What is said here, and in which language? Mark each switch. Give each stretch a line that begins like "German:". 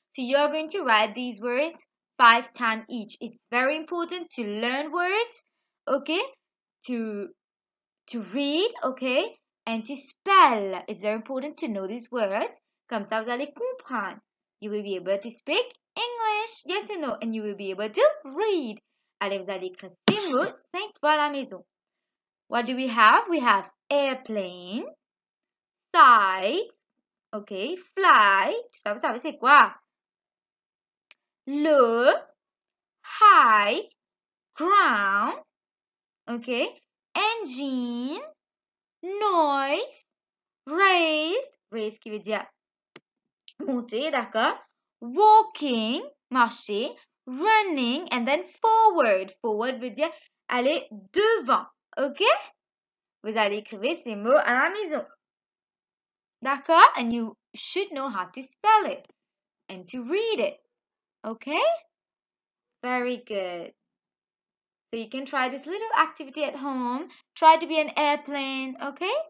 English: So you're going to write these words 5 times each. It's very important to learn words, OK? To read, OK? And to spell. It's very important to know these words.
French: Comme ça, vous allez comprendre.
English: You will be able to speak English, yes or no? And you will be able to read.
French: Allez, vous allez écrire ces mots 5 fois à la maison.
English: What do we have? We have airplane, size, ok, fly,
French: tout ça, vous savez c'est quoi?
English: Le, high, ground, ok, engine, noise, raised
French: qui veut dire monter, d'accord?
English: Walking, marcher, running, and then forward.
French: Forward veut dire aller devant, ok? Vous allez écrire ces mots à la maison. D'accord?
English: And you should know how to spell it and to read it, ok? Very good. So you can try this little activity at home. Try to be an airplane, ok?